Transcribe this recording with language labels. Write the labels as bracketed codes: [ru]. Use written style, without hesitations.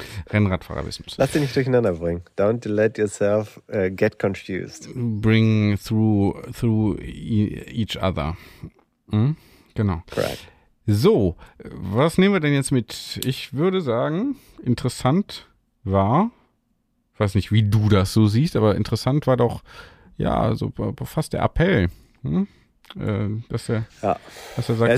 [de] Rennradfahrerwissens. Lass dich nicht durcheinander bringen. [en] Don't let yourself get confused. Bring through each other. [de] Genau. [en] Correct. [de] So, was nehmen wir denn jetzt mit? Ich würde sagen, interessant war, ich weiß nicht, wie du das so siehst, aber interessant war doch, ja, so fast der Appell, dass er sagt,